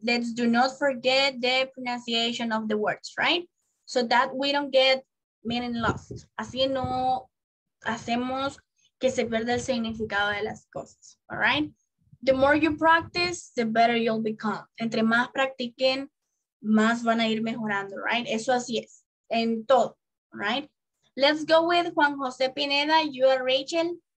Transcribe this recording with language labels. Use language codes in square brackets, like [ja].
[en] Let's do not forget the pronunciation of the words, right? So that we don't get meaning lost. [es] Así no hacemos que se pierda el significado de las cosas. [en] All right? The more you practice, the better you'll become. [es] Entre más practiquen, más van a ir mejorando, right? Eso así es, en todo, right? [en] Let's go with Juan José Pineda, you are Rachel.